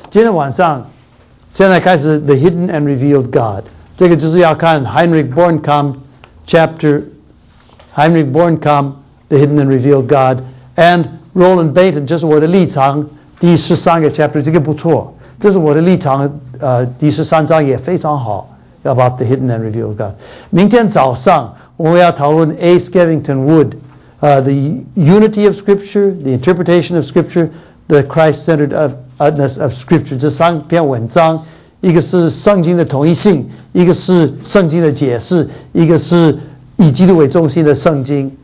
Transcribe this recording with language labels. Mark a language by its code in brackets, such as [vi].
[zh] 今天晚上现在开始 The Hidden and Revealed God， 这个就是要看 Heinrich Bornkamp The Hidden and Revealed God and Roland Baton， 就是我的立场第十三个 chapter， 这个不错，这是我的立场第十三章也非常好。 [en] About the hidden and revealed God. [zh] 明天早上我们要讨论 A. [en] Skevington Wood, the unity of Scripture, the interpretation of Scripture, the Christ-centeredness of Scripture. [zh] 这三篇文章，一个是圣经的同一性，一个是圣经的解释，一个是以基督为中心的圣经。